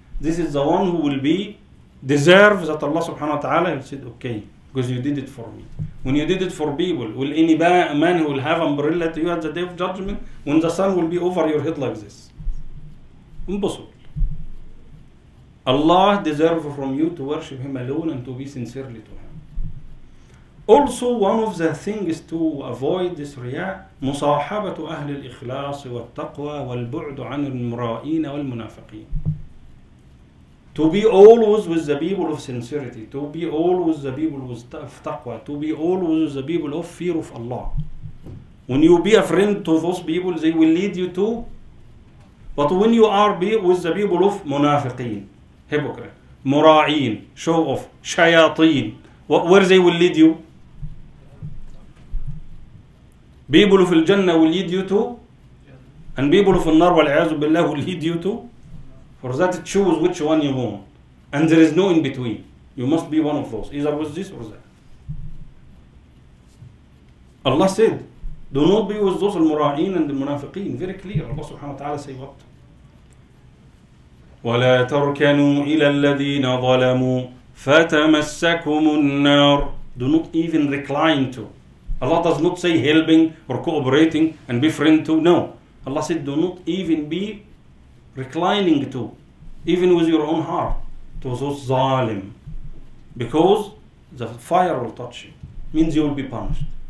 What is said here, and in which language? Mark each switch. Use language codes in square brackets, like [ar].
[en] This is the one who will be deserve that Allah subhanahu wa ta'ala will say, okay, because you did it for me. When you did it for people, will any man who will have umbrella to you at the day of judgment, when the sun will be over your head like this? Impossible. Allah deserves from you to worship Him alone and to be sincerely to Him. Also, one of the things to avoid this riya, [ar] مصاحبة أهل الإخلاص والتقوى والبعد عن المرائين والمنافقين. [en] To be always with the people of sincerity, to be always with the people of taqwa, to be always with the people of fear of Allah. When you be a friend to those people, they will lead you to. But when you are with the people of munafiqeen, hypocrite, mura'een, show off, shayateen, where they will lead you? People of al-Jannah will lead you to? And people of al-Nar [ar] wal-A'azu billah [en] will lead you to? For that, choose which one you want. And there is no in between. You must be one of those, either with this or that. Allah said, do not be with those al-mura'een and al-munafiqeen. Very clear. Allah subhanahu wa ta'ala say what? [ar] ولا تركنوا إلى الذين ظلموا فتمسكم النار. [en] Do not even recline to. Allah does not say helping or cooperating and befriend to. No. Allah said do not even be reclining to, even with your own heart, to those zalim. Because the fire will touch you. Means you will be punished.